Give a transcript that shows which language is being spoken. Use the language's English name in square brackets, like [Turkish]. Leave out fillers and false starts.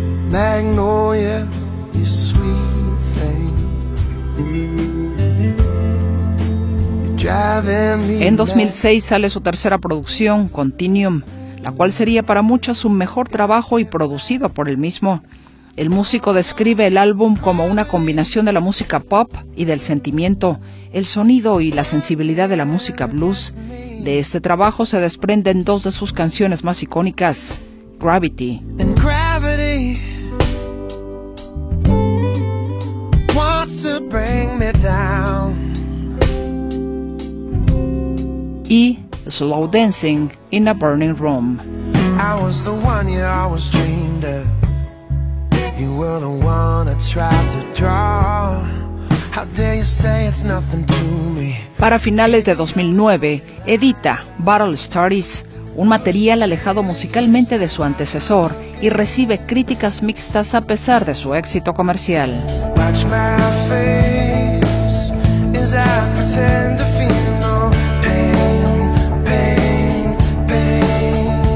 [English] Magnolia, you sweet thing. Driving me. [Spanish] En 2006 sale su tercera producción, Continuum, la cual sería para muchos su mejor trabajo y producido por él mismo. El músico describe el álbum como una combinación de la música pop y del sentimiento, el sonido y la sensibilidad de la música blues. De este trabajo se desprenden 2 de sus canciones más icónicas, Gravity. [English] And gravity wants to bring me down. Y Slow Dancing in a Burning Room. I was the one you always dreamed of. You were the one I tried to draw. How dare you say it's nothing to me? [Spanish] Para finales de 2009, edita Battle Studies, un material alejado musicalmente de su antecesor, y recibe críticas mixtas a pesar de su éxito comercial. [English] Watch my face as I pretend to feel no pain, pain, pain.